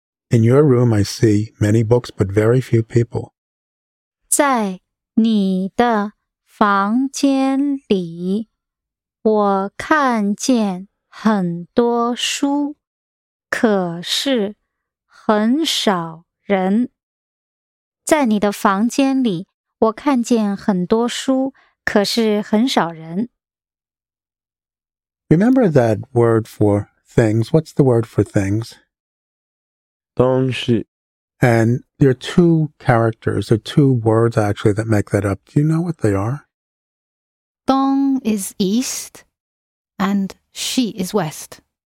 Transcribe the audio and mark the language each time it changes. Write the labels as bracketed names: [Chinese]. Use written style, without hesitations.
[English] In your room, I see many books, but very few people. [Chinese] 在你的房间里, 我看见很多书, 可是很少人. 在你的房间里, 我看见很多书, 可是很少人. [English] Remember that word for things. What's the word for things? [Chinese] 东西. [English] And there are two characters, or two words actually that make that up. Do you know what they are? 东 is east, and 西 is west.